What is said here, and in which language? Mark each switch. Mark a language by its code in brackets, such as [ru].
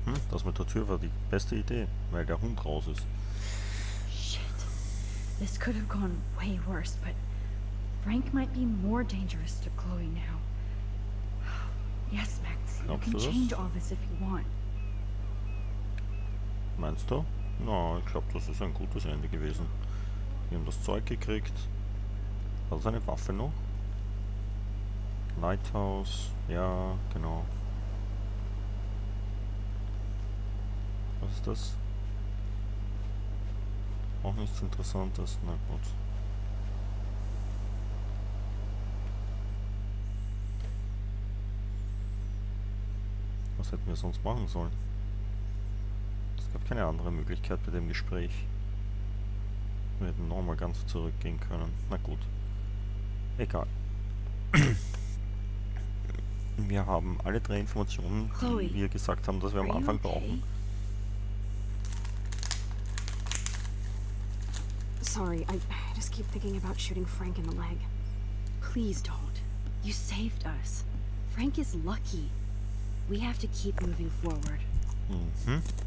[de] Das mit der Tür war die beste Idee, weil der Hund raus ist. [en] Shit. This could have gone way worse, but Frank might be more dangerous to Chloe now. Yes, Max. You can change all this if you want. [de] Meinst du? Na, no, ich glaube, das ist ein gutes Ende gewesen. Wir haben das Zeug gekriegt. Hat er seine Waffe noch? Lighthouse. Ja, genau. Was ist das? Auch nichts Interessantes. Na gut. Was hätten wir sonst machen sollen? Es gab keine andere Möglichkeit bei dem Gespräch. Wir hätten nochmal ganz zurückgehen können. Na gut. Egal. Wir haben alle drei Informationen, die wir gesagt haben, dass wir am Anfang brauchen. [en] Sorry, I just keep thinking about shooting Frank in the leg. Please don't. You saved us. Frank is lucky. We have to keep moving forward. Mm-hmm.